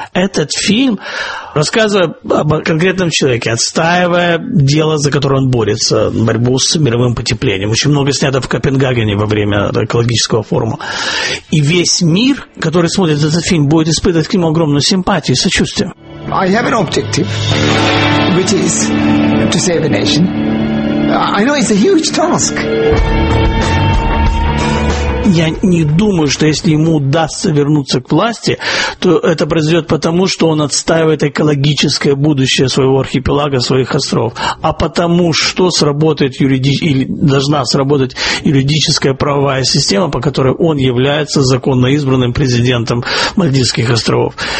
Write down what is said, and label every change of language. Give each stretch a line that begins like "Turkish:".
Russian: Этот фильм, рассказывая об конкретном человеке, отстаивая дело, за которое он борется, борьбу с мировым потеплением. Очень много снято в Копенгагене во время экологического форума. И весь мир, который смотрит этот фильм, будет испытывать к нему огромную симпатию и сочувствие.
English: I have an objective, which is to save a nation. I know it's a huge task.
Russian: Я не думаю, что если ему удастся вернуться к власти, то это произойдет потому, что он отстаивает экологическое будущее своего архипелага, своих островов, а потому, что сработает или должна сработать юридическая правовая система, по которой он является законно избранным президентом Мальдивских островов.